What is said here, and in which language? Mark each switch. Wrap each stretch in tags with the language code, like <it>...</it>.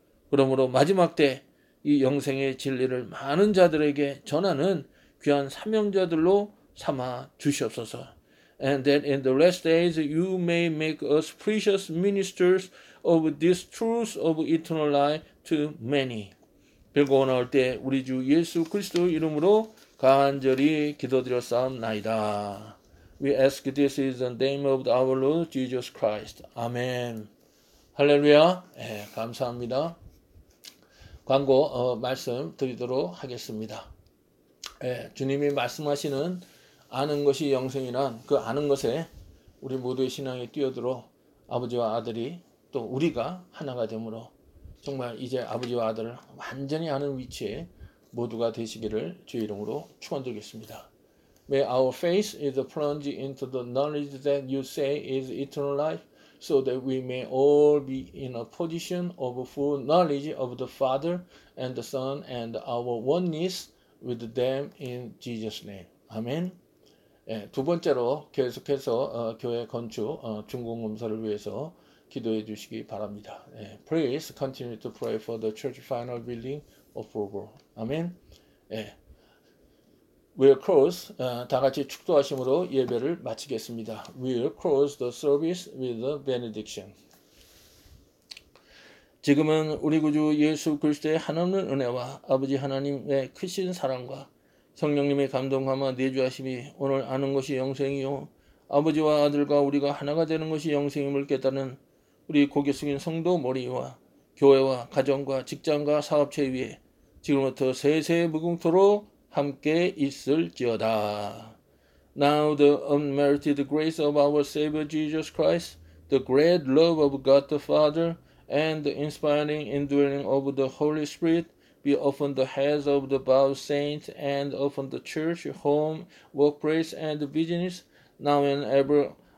<ko>그러므로 마지막 때 이 영생의 진리를 많은 자들에게 전하는 귀한 사명자들로 삼아 주시옵소서.</ko> <en>And that in the last days you may make us precious ministers of this truth of eternal life to many.</en> <ko>빌고 나올 때 우리 주 예수 그리스도 이름으로 간절히 기도드렸사옵나이다.</ko> <en>We ask this in the name of our Lord Jesus Christ.</en> <ko>Amen. 할렐루야. 네, 감사합니다. 광고 말씀 드리도록 하겠습니다. 예, 주님이 말씀하시는 아는 것이 영생이란 그 아는 것에 우리 모두의 신앙이 뛰어들어 아버지와 아들이 또 우리가 하나가 되므로 정말 이제 아버지와 아들을 완전히 아는 위치에 모두가 되시기를 주의 이름으로 축원드리겠습니다.</ko> <en>May our faith is plunged into the knowledge that you say is eternal life. So that we may all be in a position of full knowledge of the Father and the Son and our oneness with them in Jesus' name. Amen.</en> <ko>예, 두 번째로 계속해서 교회 건축 준공 검사를 위해서 기도해 주시기 바랍니다. 예,</ko> <en>please continue to pray for the church final building approval. Amen.</en> <ko>예,</ko> <en>We'll close,</en> <ko>다 같이 축도하심으로 예배를 마치겠습니다.</ko> <en>We'll close the service with a benediction.</en> <ko>지금은 우리 구주 예수 그리스도의 한없는 은혜와 아버지 하나님의 크신 사랑과 성령님의 감동감화 내주하심이 오늘 아는 것이 영생이요 아버지와 아들과 우리가 하나가 되는 것이 영생임을 깨닫는 우리 고개 숙인 성도 머리와 교회와 가정과 직장과 사업체 위에 지금부터 세세의 무궁토록 함께 있을지어다.</ko> <en>Now the unmerited grace of our Savior Jesus Christ, the great love of God the Father, and the inspiring indwelling of the Holy Spirit be upon the heads of the bowed saints and upon the church, home, workplace, and business, now and ever,</en>